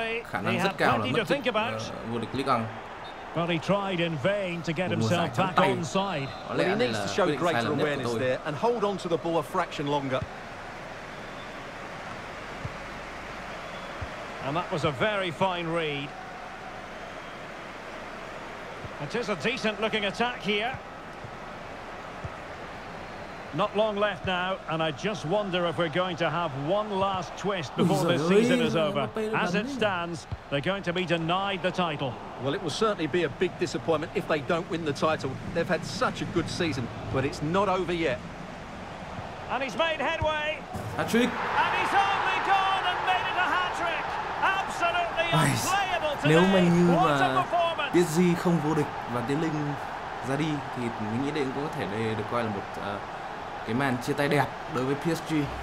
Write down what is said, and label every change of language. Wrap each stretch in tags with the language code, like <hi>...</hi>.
<vi>Khả năng rất cao là mất tích vô địch Ligue 1.</vi> <en>But he tried in vain to get himself back onside. Well, he needs to show greater awareness there and hold on to the ball a fraction longer. And that was a very fine read. It is a decent looking attack here. Not long left now, and I just wonder if we're going to have one last twist before this season is over. As it stands, they're going to be denied the title. Well, it will certainly be a big disappointment if they don't win the title. They've had such a good season, but it's not over yet. And he's made headway. Hat-trick. And he's only gone and made it a hat-trick. Absolutely unplayable today.</en> <vi>Nếu mà</vi> <en>what a performance.</en> <vi>PSG không vô địch và Tiến Linh ra đi, thì mình nghĩ đây cũng có thể đây được coi là một cái màn chia tay đẹp đối với PSG.</vi>